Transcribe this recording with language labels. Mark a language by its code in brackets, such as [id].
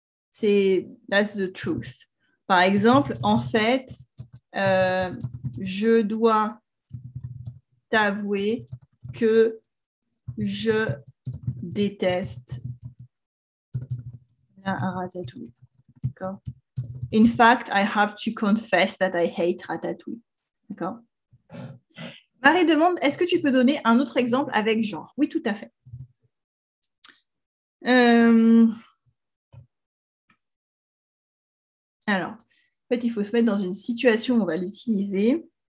[fr] C'est [en] that's the truth. [fr] Par exemple, en fait, je dois t'avouer que je déteste la ratatouille. D'accord? [en] In fact, I have to confess that I hate ratatouille. [fr] D'accord? Marie demande, est-ce que tu peux donner un autre exemple avec genre? Oui, tout à fait. Alors, en fait, il faut se mettre dans une situation où on va l'utiliser.